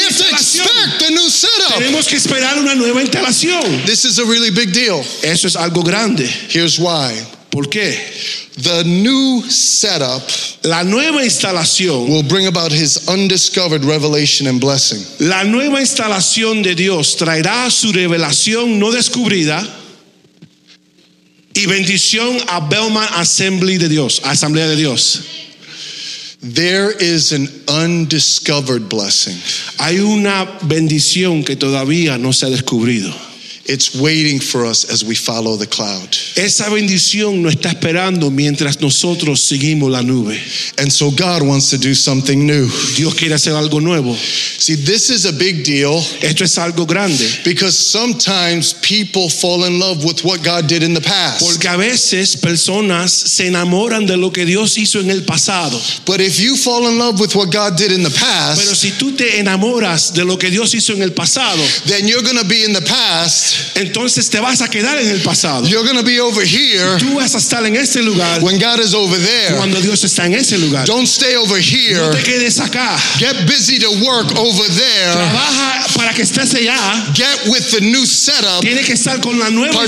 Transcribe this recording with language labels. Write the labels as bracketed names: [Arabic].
[English] We have to expect a new setup. [Spanish] Tenemos que esperar una nueva instalación. [English] This is a really big deal. [Spanish] Eso es algo grande. [English] Here's why. [Spanish] ¿Por qué? [English] The new setup, [Spanish] la nueva instalación, [English] will bring about his undiscovered revelation and blessing. [Spanish] La nueva instalación de Dios traerá su revelación no descubrida y bendición a Belmont Assembly de Dios, Asamblea de Dios. [English] There is an undiscovered blessing. [Spanish] Hay una bendición que todavía no se ha descubrido. [English] It's waiting for us as we follow the cloud. [Spanish] Esa bendición nos está esperando mientras nosotros seguimos la nube. [English] And so God wants to do something new. [Spanish] Dios quiere hacer algo nuevo. [English] See, this is a big deal. [Spanish] Esto es algo grande. [English] Because sometimes people fall in love with what God did in the past. [Spanish] Porque a veces personas se enamoran de lo que Dios hizo en el pasado. [English] But if you fall in love with what God did in the past, [Spanish] pero si tú te enamoras de lo que Dios hizo en el pasado, [English] then you're going to be in the past. [Spanish] Entonces te vas a quedar en el pasado. [English] You're going to be over here. [Spanish] Tú vas a estar en ese lugar. [English] When God is over there. [Spanish] Cuando Dios está en ese lugar. [English] Don't stay over here. [Spanish] No te quedes acá. [English] Get busy to work over there. [Spanish] Trabaja para que estés allá. [English] Get with the new setup. [Spanish] Tiene que estar con la nueva